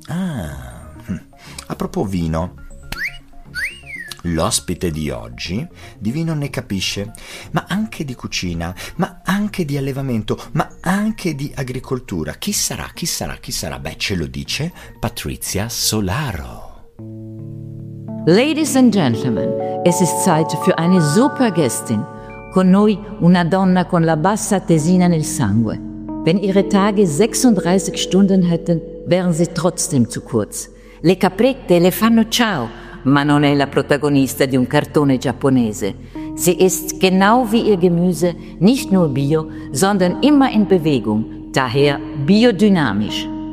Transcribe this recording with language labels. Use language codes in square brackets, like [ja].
[it] Ah, a proposito vino, l'ospite di oggi di vino ne capisce, ma anche di cucina, ma anche di allevamento, ma anche di agricoltura. Chi sarà, chi sarà, chi sarà? Beh, ce lo dice Patrizia Solaro. [en] Ladies and gentlemen, [de] es ist Zeit für eine super Gästin. [it] Con noi una donna con la bassa tesina nel sangue. [de] Wenn ihre Tage 36 Stunden hätten, wären sie trotzdem zu kurz. [it] Le caprette le fanno ciao, ma non è la protagonista di un cartone giapponese. [de] Sie ist genau wie ihr Gemüse nicht nur bio, sondern immer in Bewegung, daher biodynamisch.